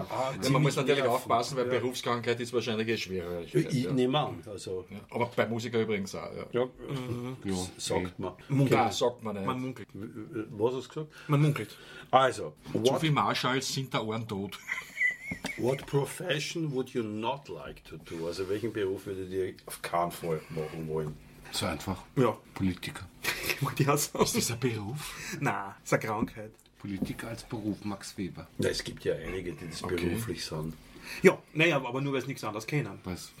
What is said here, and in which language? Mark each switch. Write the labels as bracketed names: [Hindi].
[German] auch. Man muss natürlich aufpassen, weil Berufskrankheit ist wahrscheinlich schwerer. Ich nehme an. Also. Ja, aber bei Musiker übrigens auch. Ja. Ja. Sagt man. Munkelt. Klar, sagt man nicht. Man munkelt. Was hast du gesagt? Man munkelt. Also. So viele Marschalls sind da Ohren tot. [English] What profession would you not like to do? [German] Also welchen Beruf würdet ihr auf keinen Fall machen wollen? So einfach. Ja. Politiker. Ich wollte ja sagen. Ist das ein Beruf? Nein, ist eine Krankheit. Politiker als Beruf, Max Weber. Na, es gibt ja einige, die das beruflich sind. Ja, naja, aber nur weil sie nichts anderes kennen. Was